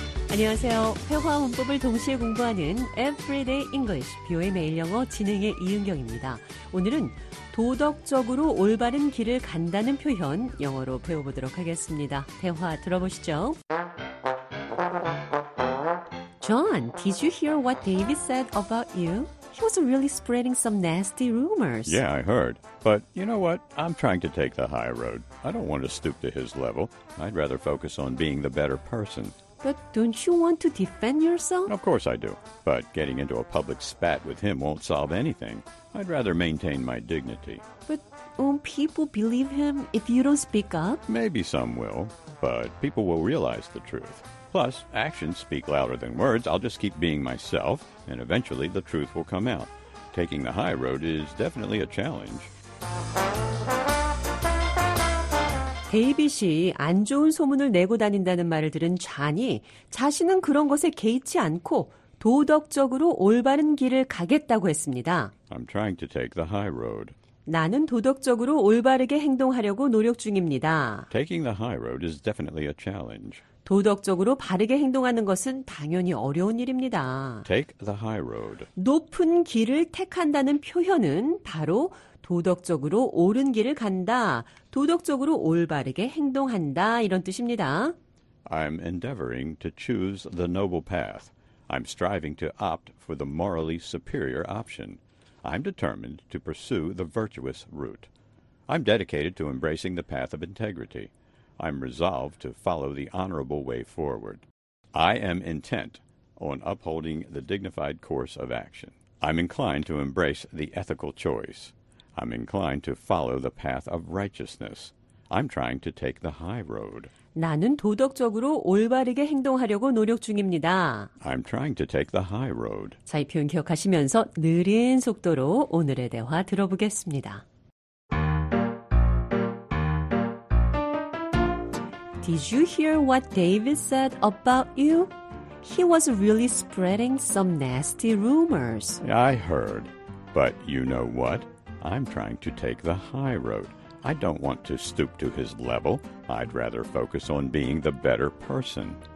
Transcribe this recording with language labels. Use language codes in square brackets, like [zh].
[ko] 안녕하세요. 회화 문법을 동시에 공부하는 Everyday English, 비오의 매일 영어 진행의 이은경입니다. 오늘은 도덕적으로 올바른 길을 간다는 표현 영어로 배워보도록 하겠습니다. 대화 들어보시죠. [en] John, did you hear what David said about you? He was really spreading some nasty rumors. Yeah, I heard. But you know what? I'm trying to take the high road. I don't want to stoop to his level. I'd rather focus on being the better person. But don't you want to defend yourself? Of course I do. But getting into a public spat with him won't solve anything. I'd rather maintain my dignity. But won't people believe him if you don't speak up? Maybe some will, but people will realize the truth. Plus, actions speak louder than words. I'll just keep being myself, and eventually the truth will come out. Taking the high road is definitely a challenge. [ko] 데이빗이 안 좋은 소문을 내고 다닌다는 말을 들은 잔이 자신은 그런 것에 개의치 않고 도덕적으로 올바른 길을 가겠다고 했습니다. [en] I'm trying to take the high road. [ko] 나는 도덕적으로 올바르게 행동하려고 노력 중입니다. [en] Taking the high road is definitely a challenge. [ko] 도덕적으로 바르게 행동하는 것은 당연히 어려운 일입니다. [en] Take the high road. [ko] 높은 길을 택한다는 표현은 바로 도덕적으로 옳은 길을 간다, 도덕적으로 올바르게 행동한다 이런 뜻입니다. [en] I'm endeavoring to choose the noble path. I'm striving to opt for the morally superior option. I'm determined to pursue the virtuous route. I'm dedicated to embracing the path of integrity. I'm resolved to follow the honorable way forward. I am intent on upholding the dignified course of action. I'm inclined to embrace the ethical choice. I'm inclined to follow the path of righteousness. I'm trying to take the high road. [ko] 나는 도덕적으로 올바르게 행동하려고 노력 중입니다. [en] I'm trying to take the high road. [ko] 자, 이 표현 기억하시면서 느린 속도로 오늘의 대화 들어보겠습니다. [en] Did you hear what David said about you? He was really spreading some nasty rumors. I heard, but you know what? I'm trying to take the high road. I don't want to stoop to his level. I'd rather focus on being the better person.